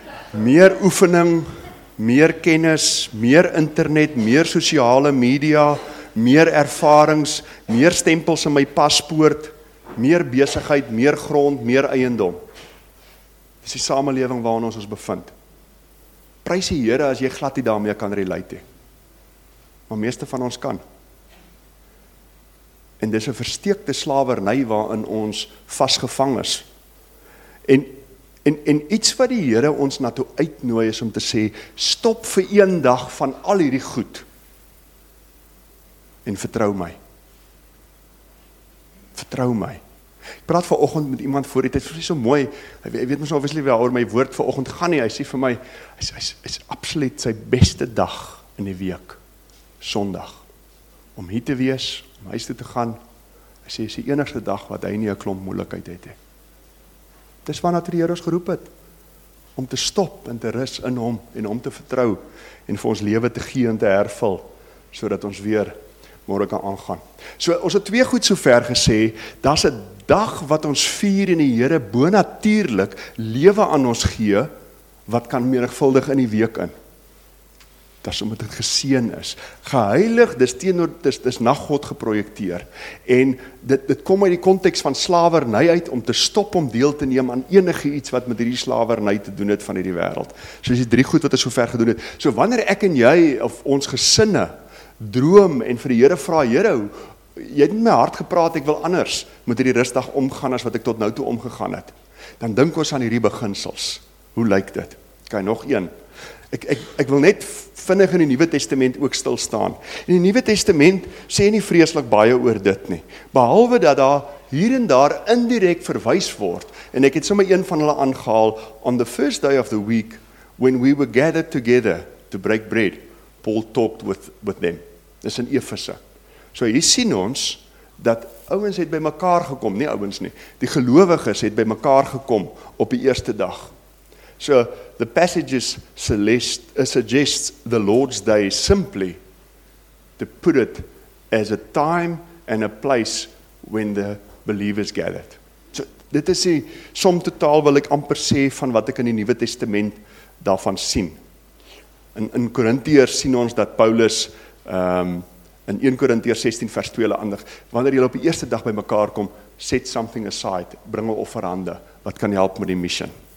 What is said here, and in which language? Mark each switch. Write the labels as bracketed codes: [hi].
[af] Meer oefening, meer kennis, meer internet, meer sosiale media, meer ervarings, meer stempels in my paspoort, meer besigheid, meer grond, meer eiendom. Dis die samelewing waarin ons bevind. Prys die Here as jy glad nie daarmee kan relate nie. maar meeste van ons kan. En dis 'n versteekte slawerny waarin ons vasgevang is. En iets wat die Here ons na toe uitnooi is om te sê, stop vir een dag van al hierdie goed en vertrou my. Vertrou my. Ek praat vanoggend met iemand voor die tyd, vir so mooi, hy weet mos obviously wel oor my woord vanoggend gaan nie, hy sê vir my, hy is absoluut sy beste dag in die week, Sondag, om hier te wees, om huis toe te gaan, hy sê, is die enigste dag wat hy nie 'n klomp moeilikheid het. Dis waarna die Here ons geroep het, om te stop en te rus in hom, en hom te vertrou, en vir ons lewe te gee en te hervul, sodat ons weer môre kan aangaan. So, ons het twee goed sover gesê, daar's 'n dag wat ons vier en die Here bonatuurlik lewe aan ons gee, wat kan menigvuldig in die week in. Dis omdat dit geseën is. Geheilig, dis na God geprojekteer. En dit kom uit die konteks van slawerny uit om te stop om deel te neem aan enige iets wat met hierdie slawerny te doen het van hierdie wêreld. So dis die drie goed wat ons sover gedoen het. So wanneer ek en jy of ons gesinne droom en vir die Here vra, Here, jy het met my hart gepraat, ek wil anders met hierdie rustdag omgaan as wat ek tot nou toe omgegaan het. Dan dink ons aan hierdie beginsels. Hoe lyk dit? Okay, nog een. Ek wil net vinnig in die Nuwe Testament ook stil staan. En die Nuwe Testament sê nie vreeslik baie oor dit nie. Behalwe dat daar hier en daar indirek verwys word. En ek het sommer een van hulle aangehaal, [en] on the first day of the week, when we were gathered together to break bread, Paul talked with them. [af] Dis in Efese. So hier sien ons, dat ouens het by mekaar gekom, nie ouens nie, die gelowiges het by mekaar gekom op die eerste dag. [en] So, the passages suggests the Lord's Day simply to put it as a time and a place when the believers gathered. [af] So, dit is die som totaal wil ek amper sê van wat ek in die Nuwe Testament daarvan sien. In Korintiërs sien ons dat Paulus in 1 Korintiërs 16 vers 2 hulle aandig, wanneer jy op die eerste dag by mekaar kom, [en] set something aside, [af] bring 'n offerande, wat kan help met die mission.